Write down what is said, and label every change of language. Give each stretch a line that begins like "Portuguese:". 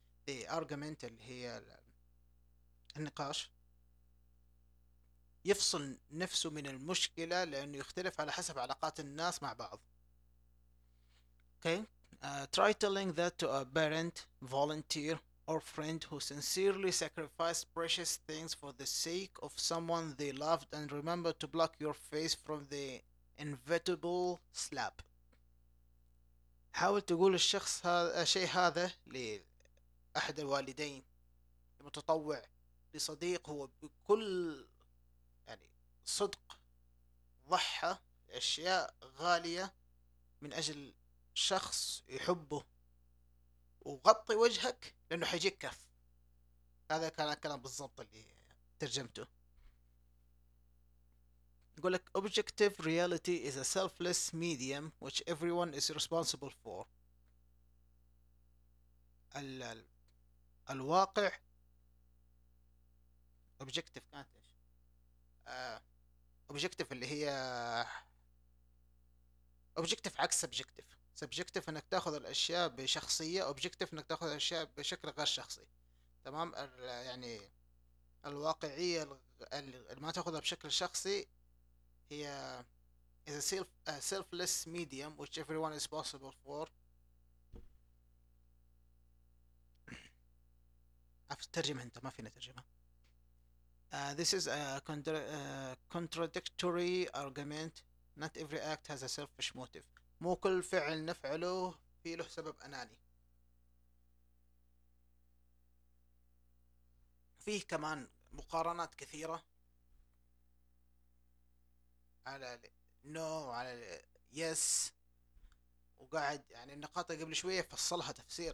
English: The argument
Arabic: اللي هي النقاش يفصل نفسه من المشكلة لأنه يختلف على حسب علاقات الناس مع بعض.
English: Okay, try telling that to a parent, volunteer or friend who sincerely sacrificed precious things for the sake of someone they loved and remembered to block your face from the inevitable slap.
Arabic: حاول تقول الشخص الشيء هذا لأحد الوالدين المتطوع لصديق هو بكل يعني صدق ضحى أشياء غالية من أجل شخص يحبه وغطي وجهك لأنه حيجيك كف. هذا كان الكلام بالضبط اللي ترجمته. يقول لك
English: objective reality is a selfless medium which everyone is responsible for.
Arabic: الواقع objective كانت ايش؟ objective اللي هي objective عكس subjective. subjective انك تاخذ الاشياء بشخصية, objective انك تاخذ الاشياء بشكل غير شخصي. تمام, يعني الواقعية اللي ما تاخذها بشكل شخصي هي
English: is a selfless medium which everyone is possible for.
Arabic: ترجم انت, ما فينا ترجمة.
English: This is a contradictory argument. Not every act has a selfish motive.
Arabic: مو كل فعل نفعله فيه له سبب أناني. فيه كمان مقارنات كثيرة على no وعلى yes, وقاعد يعني النقاط قبل شوية فصلها تفسير.